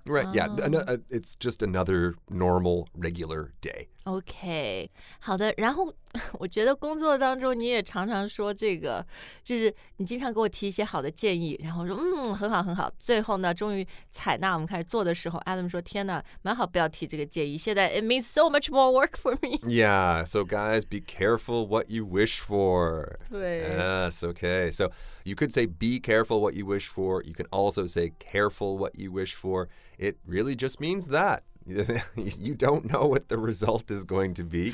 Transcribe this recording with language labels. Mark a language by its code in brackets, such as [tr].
[en] Right, yeah, it's just another normal, regular day. [zh] Okay, 好的。然后我觉得工作当中你也常常说这个，就是你经常给我提一些好的建议，然后说很好很好。最后呢，终于采纳我们开始做的时候 ， [en] Adam [zh] 说天哪，蛮好，不要提这个建议。现在 [en] it means so much more work for me. Yeah, so guys, be careful what you wish for. [zh] 对。 [en] Yes, okay. So you could say be careful what you wish for. You can also say careful what you wish for. It really just means that. You don't know what the result is going to be.